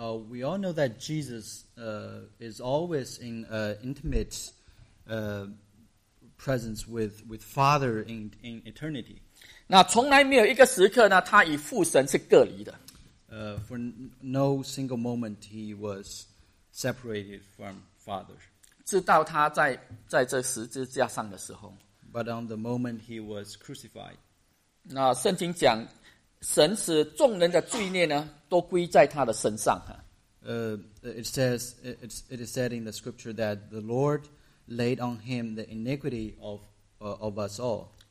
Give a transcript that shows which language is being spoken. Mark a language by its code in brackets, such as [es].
[en] We all know that Jesus is always in intimate presence with Father in eternity. [zh] 那从来没有一个时刻呢，他与父神是隔离的。 [en] For no single moment he was separated from Father. [zh] 直到他在这十字架上的时候。 [en] But on the moment he was crucified. [zh] 那圣经讲。神使众人的罪孽呢，都归在他的身上。 [en] It is said in the scripture that the Lord laid on him the iniquity of us all.